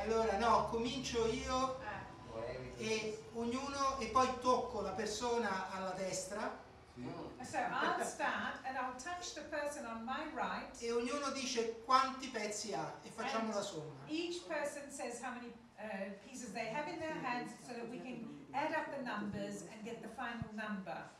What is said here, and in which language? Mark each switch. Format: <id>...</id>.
<it>Allora, no, comincio io e ognuno e poi tocco la persona alla destra.</it> <en>So I'll start and I'll touch the person on my right.</en> <it>E ognuno dice quanti pezzi ha e facciamo la somma.</it> <en>Each person says how many pieces they have in their hands so that we can add up the numbers and get the final number.</en>